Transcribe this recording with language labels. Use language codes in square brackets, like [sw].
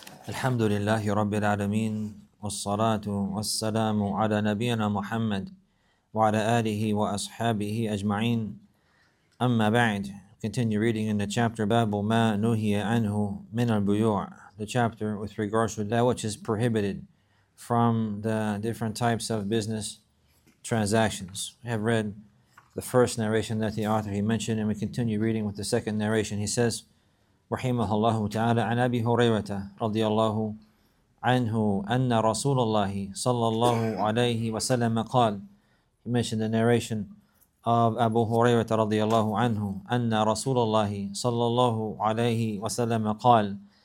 [ar] الحمد لله رب العالمين والصلاة والسلام على نبينا محمد وعلى آله وأصحابه أجمعين أما بعد. [en] Continue reading in the chapter [ar] باب ما نهي عنه من البيوع. [en] The chapter with regards to that which is prohibited from the different types of business transactions. We have read the first narration that the author he mentioned, and we continue reading with the second narration. He says, [ar] رحمه الله تعالى عن أبي هريرة رضي الله عنه أن رسول الله صلى الله عليه وسلم قال. [en] He mentioned the narration of Abu Hurairah [ar] رضي الله عنه أن رسول الله صلى الله عليه وسلم قال.